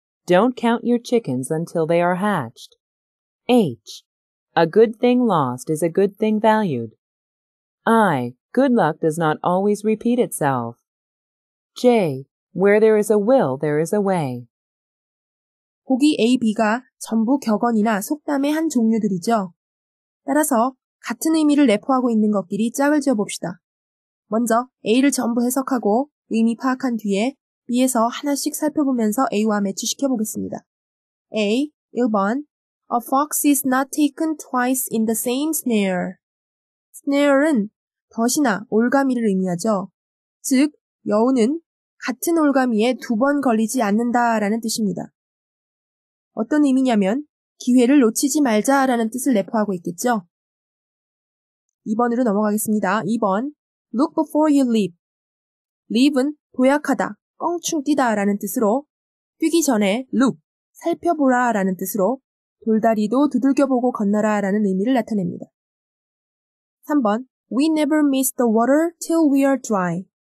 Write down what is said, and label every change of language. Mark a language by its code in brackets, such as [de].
[en] Don't count your chickens until they are hatched. H. A good thing lost is a good thing valued. I. Good luck does not always repeat itself. J. Where there is a will, there is a way. [ko] 보기 A, B가 전부 격언이나 속담의 한 종류들이죠. 따라서 같은 의미를 내포하고 있는 것끼리 짝을 지어봅시다. 먼저 A를 전부 해석하고 의미 파악한 뒤에 B에서 하나씩 살펴보면서 A와 매치시켜보겠습니다. A, 1번. A fox is not taken twice in the same snare. Snare은 덫이나 올가미를 의미하죠. 즉, 여우는 같은 올가미에 두 번 걸리지 않는다라는 뜻입니다. 어떤 의미냐면 기회를 놓치지 말자라는 뜻을 내포하고 있겠죠. 2번으로 넘어가겠습니다. 2번. [en] Look before you leap. [ko] Leap은 도약하다, 껑충 뛰다라는 뜻으로 뛰기 전에 look, 살펴보라라는 뜻으로 돌다리도 두들겨보고 건너라라는 의미를 나타냅니다. 3번. [en] We never miss the water till we are dry.